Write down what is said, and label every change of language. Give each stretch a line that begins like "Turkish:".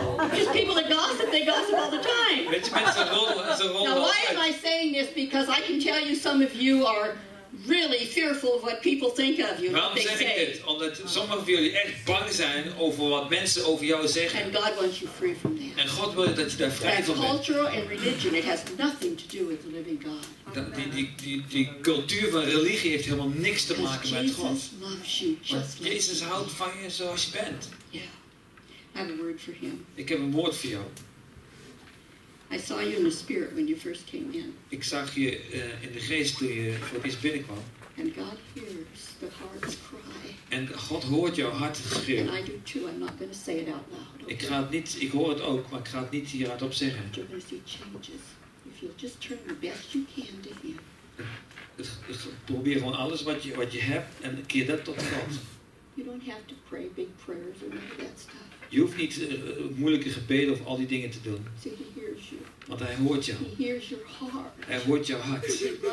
English: Because people that gossip, they gossip all the time.
Dutch: Weet je, mensen rollen.
English: Now, why am I saying this? Because I can tell you, some of you are really fearful of what people think of you.
Dutch: Waarom zeg ik dit? Omdat sommigen van jullie echt bang zijn over wat mensen over jou zeggen.
English: And God wants you free from that.
Dutch: En God wil dat je daar vrij van bent.
English: Cultural and religion, it has nothing to do with the living God.
Dutch: Die cultuur van religie heeft helemaal niks te maken met God. Jezus houdt van je zoals je bent.
English: Yeah. I have a word for him.
Dutch: Ik heb een woord voor jou.
English: I saw you in the spirit when you first came in.
Dutch: Ik zag je in de geest toen je voor het eerst binnenkwam.
English: And God hears the heart's cry.
Dutch: En God hoort jouw hart schreeuwen.
English: And I do too. I'm not going to say it out loud.
Dutch: Okay? Ik ga het niet. Ik hoor het ook, maar ik ga het niet hierop zeggen.
English: You're going to see changes if you'll just turn the best you can to Him.
Dutch: Probeer gewoon alles wat je hebt en keer dat tot God.
English: You don't have to pray big prayers or any of that stuff.
Dutch: Je hoeft niet moeilijke gebeden of al die dingen te doen. Want hij hoort jou. Hij hoort jouw hart.